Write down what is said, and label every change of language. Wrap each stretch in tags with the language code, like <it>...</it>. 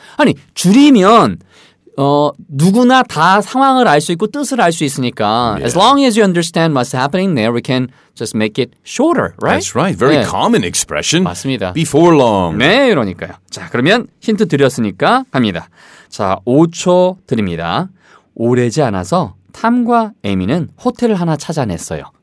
<ko>아니, 줄이면 누구나 다 상황을 알 수 있고 뜻을 알 수 있으니까 yeah.</ko> <en>as long as you understand what's happening there we can just make it shorter, right? That's right. Very 네. common expression.</en> <ko>맞습니다.</ko> <en>Before long.</en> <ko>네, 이러니까요. 자, 그러면 힌트 드렸으니까 갑니다. 자, 5초 드립니다. 오래지 않아서 탐과 에미는 호텔을 하나 찾아냈어요.</ko>